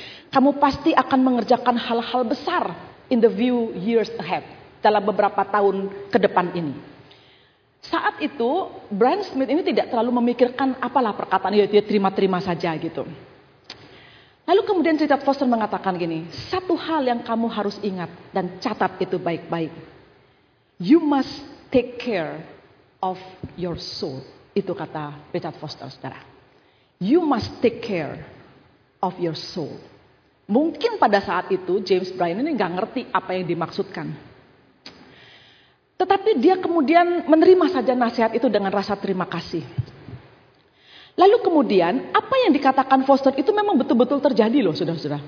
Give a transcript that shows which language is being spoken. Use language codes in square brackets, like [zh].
[id] Kamu pasti akan mengerjakan hal-hal besar [en] in the few years ahead, [id] dalam beberapa tahun ke depan ini. Saat itu, Brian Smith ini tidak terlalu memikirkan apalah perkataan, ya dia terima-terima saja gitu. Lalu kemudian cerita Foster mengatakan gini, satu hal yang kamu harus ingat dan catat itu baik-baik. [en] You must take care of your soul. [id] Itu kata Richard Foster, saudara. [en] You must take care of your soul. [id] Mungkin pada saat itu James Bryan ini gak ngerti apa yang dimaksudkan. Tetapi dia kemudian menerima saja nasihat itu dengan rasa terima kasih. Lalu kemudian apa yang dikatakan Foster itu memang betul-betul terjadi loh saudara-saudara.